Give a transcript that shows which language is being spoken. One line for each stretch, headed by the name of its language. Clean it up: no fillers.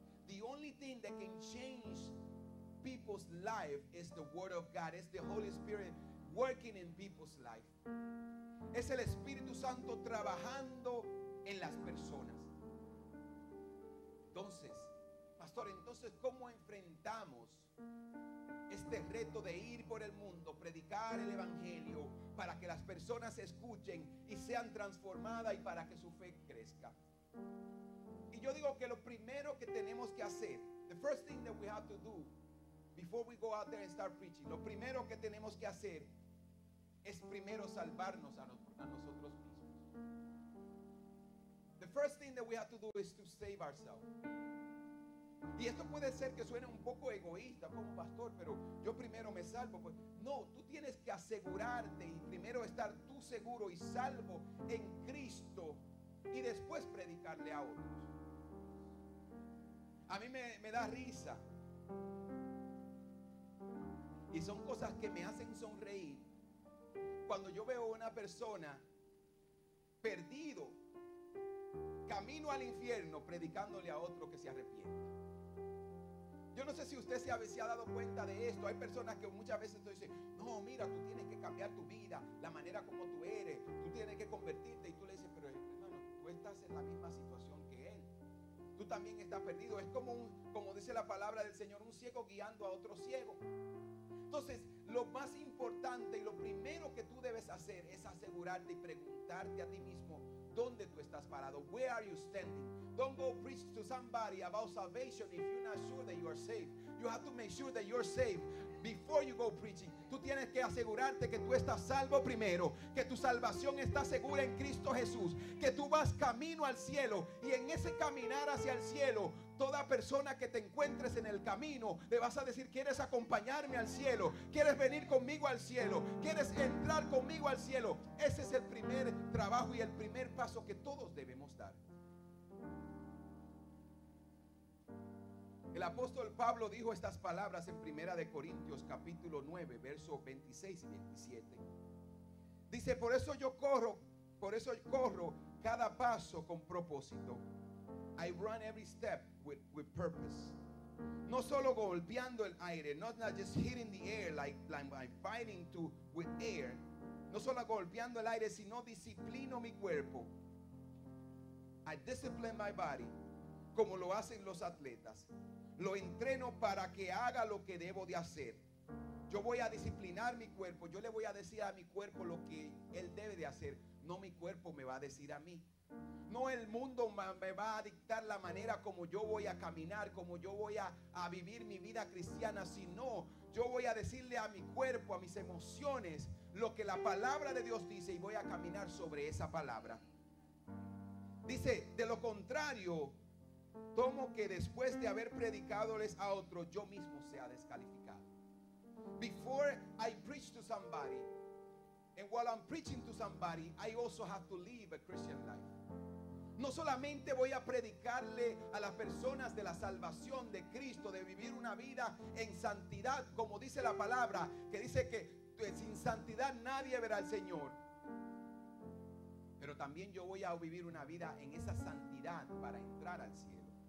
English: The only thing that can change people's life is the Word of God. It's the Holy Spirit working in people's life.
Spanish: Es el Espíritu Santo trabajando en las personas. Entonces, Pastor, entonces, ¿cómo enfrentamos este reto de ir por el mundo, predicar el evangelio para que las personas escuchen y sean transformadas y para que su fe crezca? Y yo digo que lo primero que tenemos que hacer,
English: the first thing that we have to do before we go out there and start preaching,
Spanish: lo primero que tenemos que hacer es primero salvarnos a nosotros mismos.
English: The first thing that we have to do is to save ourselves.
Spanish: Y esto puede ser que suene un poco egoísta como pastor, pero yo primero me salvo. Pues no, tú tienes que asegurarte y primero estar tú seguro y salvo en Cristo, y después predicarle a otros. A mí me da risa, y son cosas que me hacen sonreír, cuando yo veo a una persona perdido camino al infierno predicándole a otro que se arrepiente. Yo no sé si usted se ha dado cuenta de esto. Hay personas que muchas veces te dicen: no, mira, tú tienes que cambiar tu vida, la manera como tú eres, tú tienes que convertirte. Y tú le dices: pero hermano, tú estás en la misma situación que él, tú también estás perdido. Es como un, como dice la palabra del Señor, un ciego guiando a otro ciego. Entonces, lo más importante y lo primero que tú debes hacer es asegurarte y preguntarte a ti mismo: ¿dónde tú estás parado?
English: Where are you standing? Don't go preach to somebody about salvation if you're not sure that you are saved. You have to make sure that you're saved before you go preaching.
Spanish: Tú tienes que asegurarte que tú estás salvo primero, que tu salvación está segura en Cristo Jesús, que tú vas camino al cielo, y en ese caminar hacia el cielo, toda persona que te encuentres en el camino, le vas a decir: ¿quieres acompañarme al cielo? ¿Quieres venir conmigo al cielo? ¿Quieres entrar conmigo al cielo? Ese es el primer trabajo y el primer paso que todos debemos dar. El apóstol Pablo dijo estas palabras en 1 Corintios capítulo 9, versos 26 y 27. Dice: por eso yo corro cada paso con propósito.
English: I run every step with purpose.
Spanish: No solo golpeando el aire,
English: not just hitting the air like I'm fighting to with air.
Spanish: No solo golpeando el aire, sino disciplino mi cuerpo.
English: I discipline my body,
Spanish: como lo hacen los atletas. Lo entreno para que haga lo que debo de hacer. Yo voy a disciplinar mi cuerpo. Yo le voy a decir a mi cuerpo lo que él debe de hacer. No mi cuerpo me va a decir a mí. No el mundo me va a dictar la manera como yo voy a caminar, como yo voy a vivir mi vida cristiana, sino yo voy a decirle a mi cuerpo, a mis emociones, lo que la palabra de Dios dice, y voy a caminar sobre esa palabra. Dice, de lo contrario, tomo que después de haber predicadoles a otro, yo mismo sea descalificado.
English: Before I preach to somebody, and while I'm preaching to somebody, I also have to live a Christian life.
Spanish: No solamente voy a predicarle a las personas de la salvación de Cristo, de vivir una vida en santidad, como dice la palabra, que dice que sin santidad nadie verá al Señor. Pero también yo voy a vivir una vida en esa santidad para entrar al cielo.